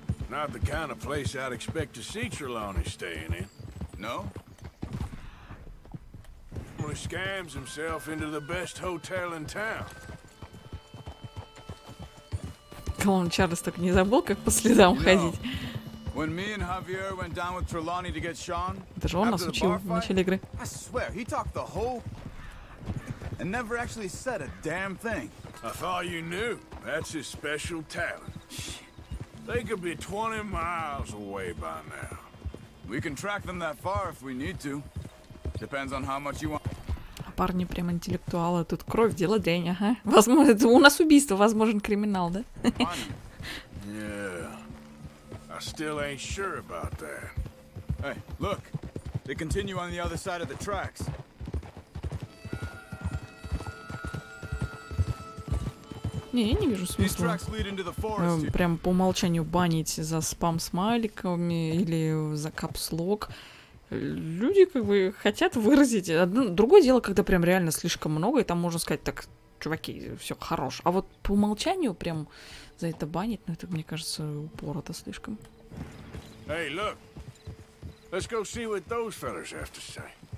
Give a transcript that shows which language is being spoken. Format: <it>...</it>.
<en>Not the kind of place I'd expect to see Trelawney staying in. No? Scams himself into the best hotel in town.</en> <ru>Клоун Чарльз так не забыл, как по следам ходить.</ru> <en>When me and Javier went down with Trelawney to get Sean,</en> <ru>даже он нас учил в начале игры.</ru> <en>I swear, he talked the whole and never actually said a damn thing. I thought you knew. That's his special talent. They could be 20 miles away by now. We can track them that far if we need to. Depends on how much you want.</en> <ru>Парни прям интеллектуалы, тут кровь, дело дрянь, ага. Возможно, у нас убийство, возможен криминал, да?</ru> <en>Yeah. I still ain't sure about that. Hey, look, they continue on the other side of the tracks.</en> <ru>Не, я не вижу смысла. Прям по умолчанию банить за спам смайликами или за капслог. Люди как бы хотят выразить. Одно, другое дело, когда прям реально слишком много, и там можно сказать, так, чуваки, все хорош. А вот по умолчанию прям за это банить, ну это, мне кажется, упорото слишком.</ru> <en>Hey, look. Let's go see what those fellas have to say.</en>